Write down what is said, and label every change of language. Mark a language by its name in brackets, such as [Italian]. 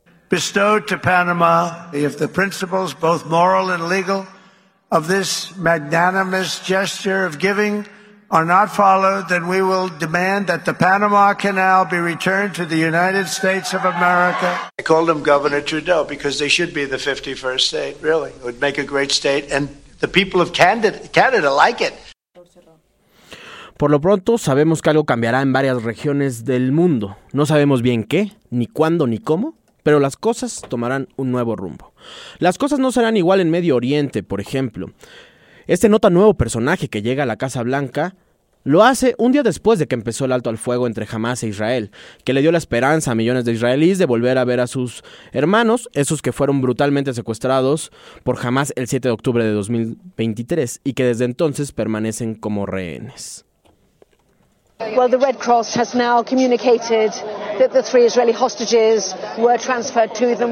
[English] Bestowed to Panama, if the principles, both moral and legal, of this magnanimous gesture of giving are not followed, then we will demand that the Panama Canal be returned to the United States of America. I called him Governor Trudeau because they should be the 51st state, really. It would make a great state, and the people of Canada like it. [Spanish] Por lo pronto, sabemos que algo cambiará en varias regiones del mundo. No sabemos bien qué, ni cuándo, ni cómo. Pero las cosas tomarán un nuevo rumbo. Las cosas no serán igual en Medio Oriente, por ejemplo. Este no tan nuevo personaje que llega a la Casa Blanca lo hace un día después de que empezó el alto al fuego entre Hamas e Israel, que le dio la esperanza a millones de israelíes de volver a ver a sus hermanos, esos que fueron brutalmente secuestrados por Hamas el 7 de octubre de 2023 y que desde entonces permanecen como rehenes. [English] Well, the Red Cross has now communicated that the three Israeli hostages were transferred to them.